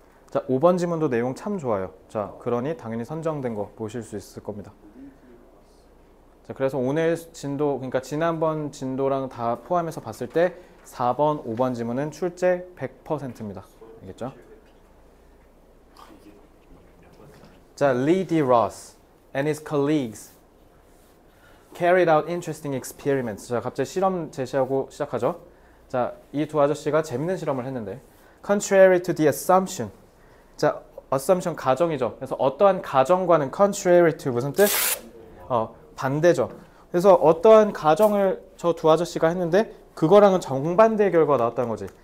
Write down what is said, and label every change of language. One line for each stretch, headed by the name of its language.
Korean: 자, 5번 지문도 내용 참 좋아요. 자, 그러니 당연히 선정된 거 보실 수 있을 겁니다. 자, 그래서 오늘 진도, 그러니까 지난번 진도랑 다 포함해서 봤을 때 4번, 5번 지문은 출제 100%입니다. 알겠죠? 자, Lee D.
English: Ross and his colleagues carried out interesting experiments.
Korean: 자, 갑자기 실험 제시하고 시작하죠. 자, 이 두 아저씨가 재밌는 실험을 했는데
English: contrary to the assumption.
Korean: 자, assumption 가정이죠. 그래서 어떠한 가정과는
English: contrary to
Korean: 무슨 뜻? 반대죠. 그래서 어떠한 가정을 저 두 아저씨가 했는데 그거랑은 정반대의 결과가 나왔다는 거지.